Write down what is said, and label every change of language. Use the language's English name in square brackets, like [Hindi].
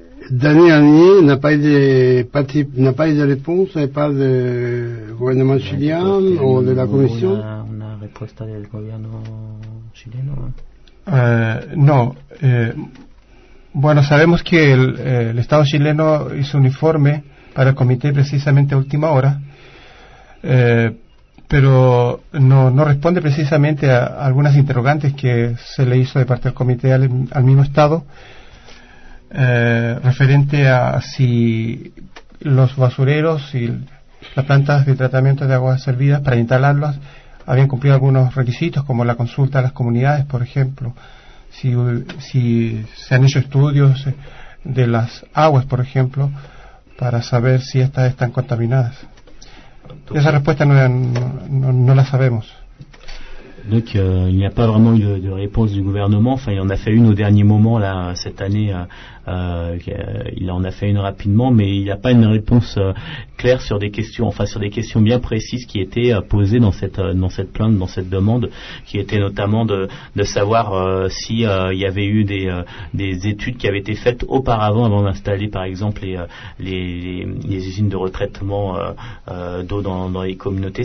[French] D'année en année, n'a pas eu de réponse, n'a pas de gouvernement chilien ou de la Commission. On a réponse du gouvernement chilien, non? Non. [Spanish] Bueno, sabemos que el Estado chileno hizo un informe para el comité precisamente a última hora, pero no responde precisamente a algunas interrogantes que se le hizo de parte del comité al mismo Estado. Referente a si los basureros y las plantas de tratamiento de aguas servidas para instalarlas habían cumplido algunos requisitos como la consulta a las comunidades, por ejemplo, si se han hecho estudios de las aguas, por ejemplo, para saber si estas están contaminadas. Esa respuesta no la sabemos. [French] Donc il n'y a pas vraiment eu de réponse du gouvernement. Enfin, il en a fait une au dernier moment là cette année. Il en a fait une rapidement, mais il n'y a pas une réponse claire sur des questions. Enfin, sur des questions bien précises qui étaient posées dans cette plainte, dans cette demande, qui était notamment de savoir si il y avait eu des études qui avaient été faites auparavant, avant d'installer par exemple les usines de retraitement d'eau dans les communautés.